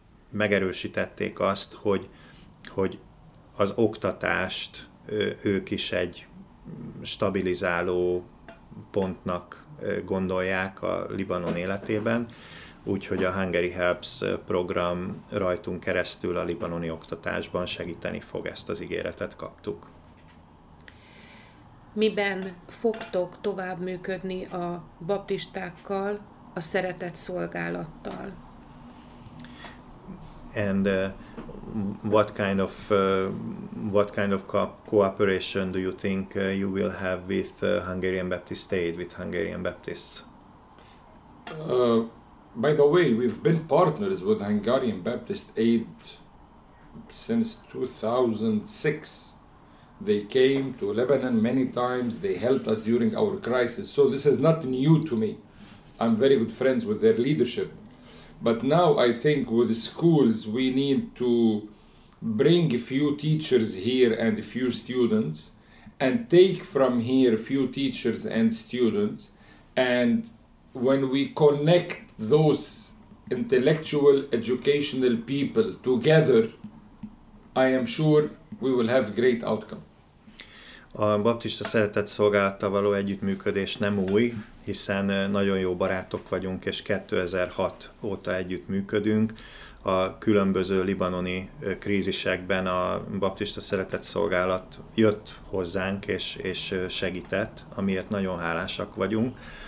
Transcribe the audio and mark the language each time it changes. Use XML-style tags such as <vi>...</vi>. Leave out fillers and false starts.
<hu>megerősítették azt, hogy az oktatást ők is egy stabilizáló pontnak gondolják a Libanon életében, úgyhogy a Hungary Helps program rajtunk keresztül a libanoni oktatásban segíteni fog, ezt az ígéretet kaptuk. Miben fogtok tovább működni a baptistákkal, a szeretett szolgálattal?</hu> <en>And what kind of cooperation do you think you will have with Hungarian Baptist Aid, with Hungarian Baptists? By the way, we've been partners with Hungarian Baptist Aid since 2006. They came to Lebanon many times. They helped us during our crisis. So this is not new to me. I'm very good friends with their leadership. But now I think with the schools, we need to bring a few teachers here and a few students and take from here a few teachers and students. And when we connect those intellectual, educational people together, I am sure we will have a great outcome.</en> <hu>A baptista szeretett szolgálattal való együttműködés nem új, hiszen nagyon jó barátok vagyunk, és 2006 óta együtt működünk. A különböző libanoni krízisekben a baptista szeretett szolgálat jött hozzánk, és segített, amiért nagyon hálásak vagyunk.</hu>